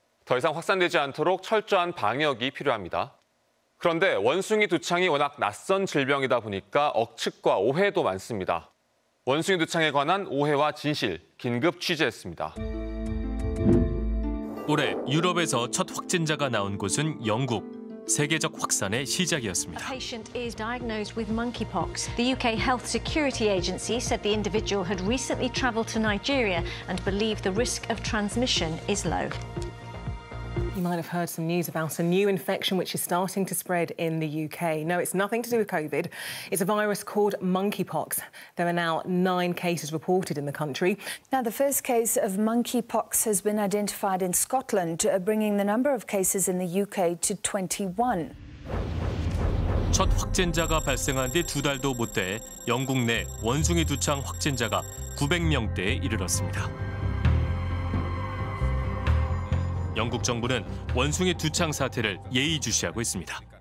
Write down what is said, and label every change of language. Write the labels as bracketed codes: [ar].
[ko] 더 이상 확산되지 않도록 철저한 방역이 필요합니다. 그런데 원숭이 두창이 워낙 낯선 질병이다 보니까 억측과 오해도 많습니다. 원숭이 두창에 관한 오해와 진실, 긴급 취재했습니다. 올해 유럽에서 첫 확진자가 나온 곳은 영국. 세계적 확산의 시작이었습니다. [en] A patient is diagnosed with monkeypox. The UK Health Security Agency said the individual had recently traveled to Nigeria and believe the risk of transmission is low. You might have heard some news about a new infection which is starting to spread in the UK. No, it's nothing to do with COVID. It's a virus called monkeypox. There are now 9 cases reported in the country. Now, the first case of monkeypox has been identified in Scotland, bringing the number of cases in the UK to 21. [ko] 첫 확진자가 발생한 뒤 두 달도 못 돼 영국 내 원숭이 두창 확진자가 900명대에 이르렀습니다. 영국 정부는 원숭이 두창 사태를 예의주시하고 있습니다.